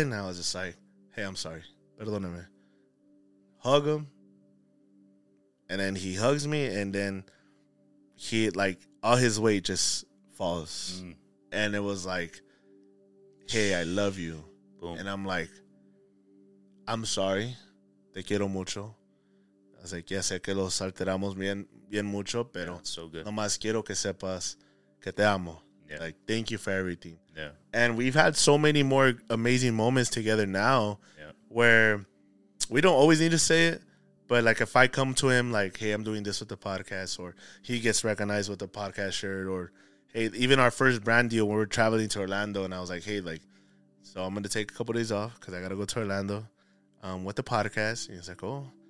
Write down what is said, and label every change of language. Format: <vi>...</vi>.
<en>And I was just like, hey, I'm sorry.</en> <es>Perdóname.</es> <en>Hug him. And then he hugs me. And then he, like, all his weight just falls. Mm. And it was like, hey, I love you. Boom. And I'm like, I'm sorry.</en> <es>Te quiero mucho.</es> <en>I was like,</en> <es>ya sé que los alteramos bien mucho, pero</es> <en>yeah, so good.</en> <es>Nomás quiero que sepas que te amo.</es> <en>Yeah. Like, thank you for everything. Yeah. And we've had so many more amazing moments together now yeah. where we don't always need to say it, but, like, if I come to him, like, hey, I'm doing this with the podcast, or he gets recognized with the podcast shirt, or, hey, even our first brand deal, when we're traveling to Orlando, and I was like, hey, like, so I'm going to take a couple days off because I got to go to Orlando with the podcast. And he's like, oh.</en>